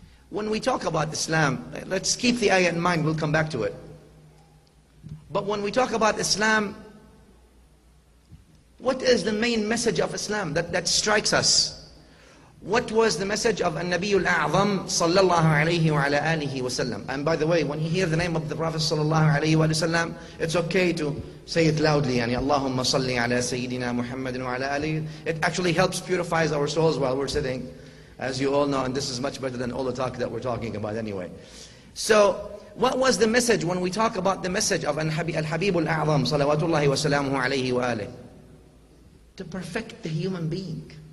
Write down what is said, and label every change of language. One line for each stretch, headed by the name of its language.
English: When we talk about Islam, let's keep the ayah in mind, we'll come back to it. But when we talk about Islam, what is the main message of Islam that strikes us? What was the message of النبي الأعظم
Arabic: صلى الله عليه وعلى آله وسلم?
English: And by the way, when you hear the name of the Prophet
Arabic: صلى الله عليه وعلى وسلم,
English: it's okay to say it loudly.
Arabic: يعني اللهم صل على سيدنا محمد وعلى آله.
English: It actually helps purifies our souls while we're sitting, as you all know, and this is much better than all the talk that we're talking about anyway. So what was the message when we talk about the message of الحبيب الأعظم
Arabic: صلوات الله وسلامه عليه وآله?
English: To perfect the human being.